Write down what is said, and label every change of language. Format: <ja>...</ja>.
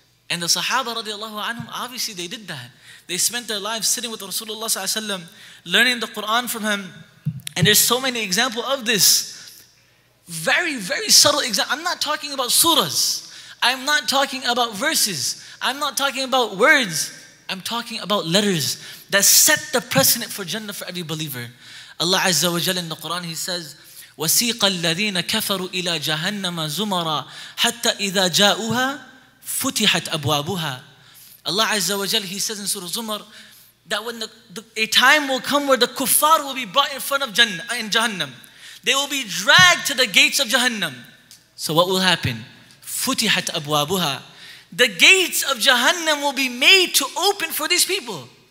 <en>And the Sahaba radiallahu anhum, obviously they did that. They spent their lives sitting with Rasulullah sallallahu alayhi wa sallam, learning the Quran from him. And there's so many examples of this. Very, very subtle example. I'm not talking about surahs. I'm not talking about verses. I'm not talking about words. I'm talking about letters that set the precedent for Jannah for every believer.</en> <ar>Allah Azza wa Jalla in the Quran, he says, وَسِيقَ الَّذِينَ كَفَرُوا إِلَى جَهَنَّمَ زُمَرًا حَتَّى إِذَا جَاءُوهَا فُتِحَتْ أَبْوَابُهَا.</ar> <en>Allah Azza wa Jalla, he says in Surah Zumar, that when a time will come where the kuffar will be brought in front of Jannah, in Jahannam, they will be dragged to the gates of Jahannam. So what will happen?</en> <ar>فُتِحَتْ أَبْوَابُهَا.</ar> <en>The gates of Jahannam will be made to open for these people.</en>